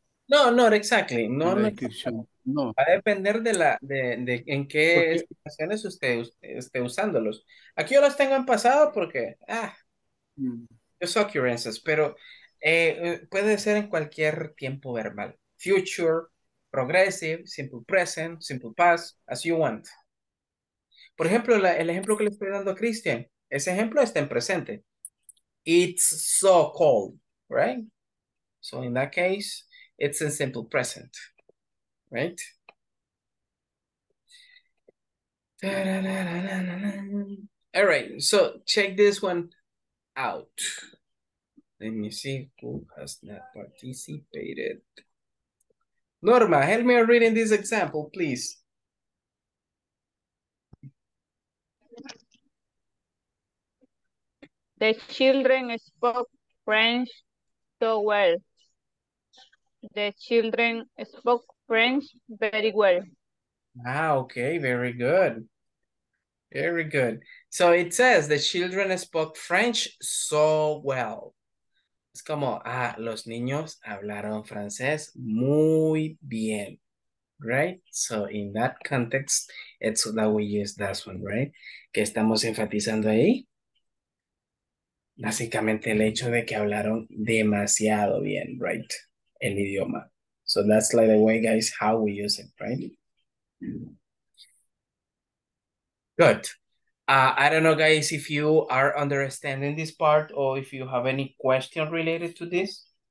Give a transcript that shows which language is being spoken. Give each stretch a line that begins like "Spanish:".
English: No, not exactly. No,
Spanish: la descripción. No. Va a depender de la de en qué situaciones usted esté usándolos. Aquí yo los tengo en pasado porque
English: just occurrences,
Spanish: pero puede ser en cualquier tiempo verbal.
English: Future, progressive, simple present, simple past, as you want.
Spanish: Por ejemplo, el ejemplo que le estoy dando a Christian, ese ejemplo está en presente.
English: It's so cold, right? So in that case, it's in simple present, right? All right, so check this one out. Let me see who has not participated. Norma, help me reading this example, please. The children spoke French so well. The children spoke French very well. Okay, very good. Very good. So it says the children spoke French so well.
Spanish: Es como, los niños hablaron francés muy bien. Right?
English: So in that context, it's that we use that one, right?
Spanish: ¿Qué estamos enfatizando ahí? Básicamente el hecho de que hablaron demasiado bien, right? El idioma.
English: So that's like the way, guys, how we use it, right? Good. I don't know, guys, if you are understanding this part or if you have any question related to this.